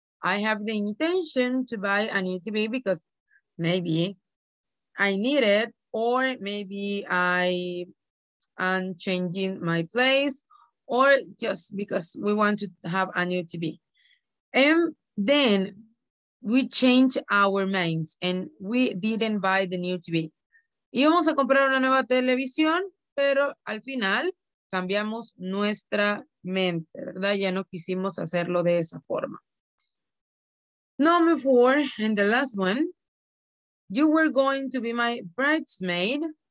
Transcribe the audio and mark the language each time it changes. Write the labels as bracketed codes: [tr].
[en] I have the intention to buy a new TV because maybe I need it, or maybe I am changing my place, or just because we want to have a new TV. And then we change our minds and we didn't buy the new TV. [es] Íbamos a comprar una nueva televisión, pero al final cambiamos nuestra mente, ¿verdad? Ya no quisimos hacerlo de esa forma. [en] Number four, and the last one, you were going to be my bridesmaid.